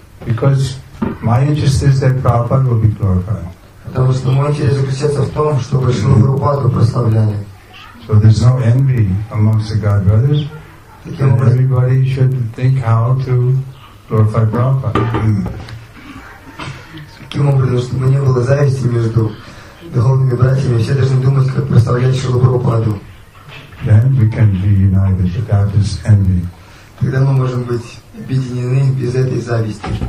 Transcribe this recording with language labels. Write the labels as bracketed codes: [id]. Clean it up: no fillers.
[en] Because my interest is that Prabhupada will be glorified. [ru] Потому что мой интерес заключается в том, чтобы Шрила Прабхупаду прославляли. [en] So there's no envy amongst the God brothers. Everybody should think how to glorify Prabhupada. [ru] Таким образом, чтобы не было зависти между духовными братьями, все должны думать, как прославлять Шрилу Прабхупаду. [en] Then we can be united without this envy. [ru] Тогда мы можем быть объединены без этой зависти.